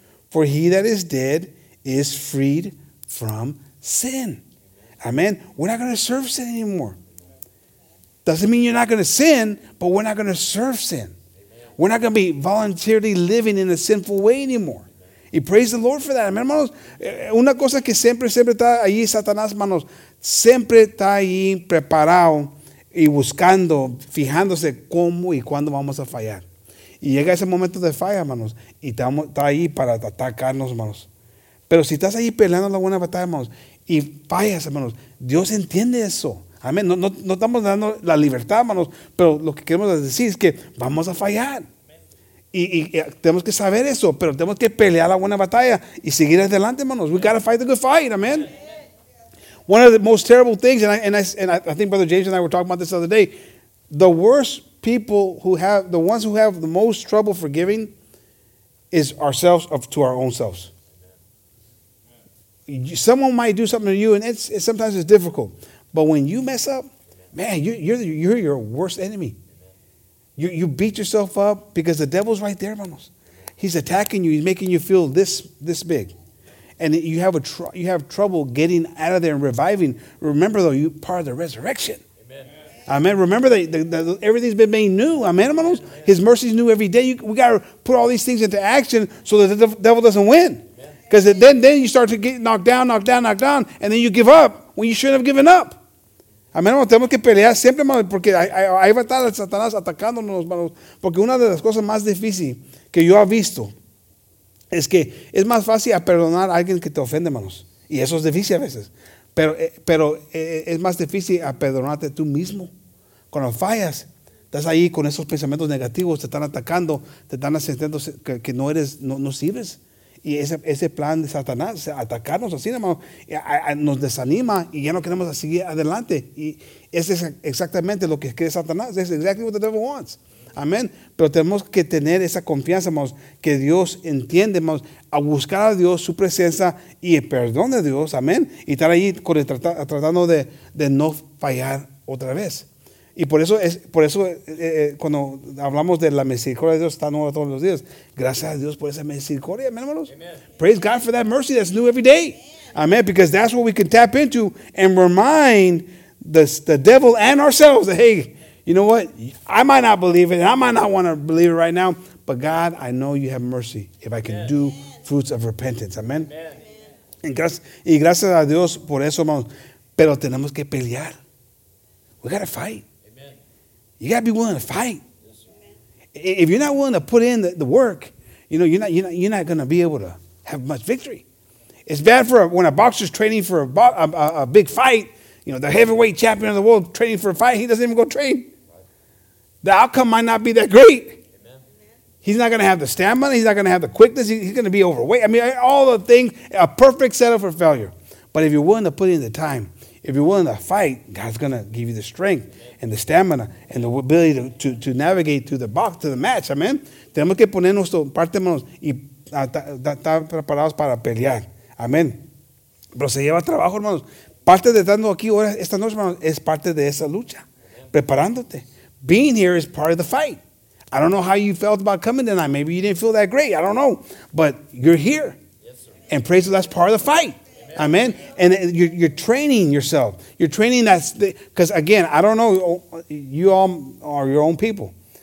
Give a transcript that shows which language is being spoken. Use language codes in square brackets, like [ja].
[en] For he that is dead is freed from sin. Amen. We're not going to serve sin anymore. Doesn't mean you're not going to sin, but we're not going to serve sin. We're not going to be voluntarily living in a sinful way anymore. Y praise the Lord for that. Amen, hermanos. [es] Una cosa que siempre está ahí, Satanás, hermanos, siempre está ahí preparado y buscando, fijándose cómo y cuándo vamos a fallar. Y llega ese momento de falla, hermanos, y está ahí para atacarnos, hermanos. Pero si estás ahí peleando la buena batalla, hermanos, y fallas, hermanos, Dios entiende eso. Amén. No estamos dando la libertad, hermanos, pero lo que queremos decir es que vamos a fallar. Y tenemos que saber eso, pero tenemos que pelear la buena batalla y seguir adelante, hermanos. [en] We got to fight the good fight, amen. One of the most terrible things, and I think Brother James and I were talking about this the other day, the worst people who have, the ones who have the most trouble forgiving is ourselves to our own selves. Someone might do something to you, and it's sometimes it's difficult. But when you mess up, man, you're your worst enemy. You beat yourself up because the devil's right there, hermanos. He's attacking you. He's making you feel this big. And you have you have trouble getting out of there and reviving. Remember, though, you're part of the resurrection. Amen. Amen. Remember that everything's been made new. Amen, hermanos? His mercy's new every day. We got to put all these things into action so that the devil doesn't win. Because then you start to get knocked down, and then you give up when you shouldn't have given up. [es] Amén, hermanos, tenemos que pelear siempre, hermanos, porque ahí va a estar el Satanás atacándonos, hermanos. Porque una de las cosas más difíciles que yo he visto es que es más fácil a perdonar a alguien que te ofende, hermanos. Y eso es difícil a veces. Pero es más difícil a perdonarte tú mismo. Cuando fallas, estás ahí con esos pensamientos negativos, te están atacando, te están sintiendo que no eres, no sirves. Y ese plan de Satanás, atacarnos así, hermanos, nos desanima y ya no queremos seguir adelante. Y ese es exactamente lo que quiere Satanás. [en] That's exactly what the devil wants. [es] Amén. Pero tenemos que tener esa confianza, hermanos, que Dios entiende, hermanos, a buscar a Dios, su presencia y el perdón de Dios. Amén. Y estar ahí tratando de no fallar otra vez. Y por eso, cuando hablamos de la misericordia de Dios, está nueva todos los días. Gracias a Dios por esa misericordia, amén, hermanos. [en] Praise God for that mercy that's new every day. Amen. Because that's what we can tap into and remind the devil and ourselves that, hey, you know what? I might not believe it. And I might not want to believe it right now. But God, I know you have mercy if I can do fruits of repentance. Amen. Amen. [es] Y gracias a Dios por eso, hermanos. Pero tenemos que pelear. [en] We got to fight. You got to be willing to fight. Yes, if you're not willing to put in the work, you know, you're not going to be able to have much victory. It's bad when a boxer's training for a big fight, you know, the heavyweight champion of the world training for a fight, he doesn't even go train. The outcome might not be that great. Amen. He's not going to have the stamina. He's not going to have the quickness. He's going to be overweight. I mean, all the things, a perfect setup for failure. But if you're willing to put in the time, if you're willing to fight, God's going to give you the strength. And the stamina and the ability to navigate to the box, to the match. Amen. [es] Tenemos que poner nuestro parte, hermanos, y estar preparados para pelear. Amen. Pero se lleva trabajo, hermanos. Parte de estando aquí ahora, esta noche, hermanos, es parte de esa lucha. Preparándote. [en] being here is part of the fight. I don't know how you felt about coming tonight. Maybe you didn't feel that great. I don't know. But you're here. Yes, sir. And praise God, that's part of the fight. Amen. And you're training yourself. You're training that. Because, again, I don't know. You all are your own people.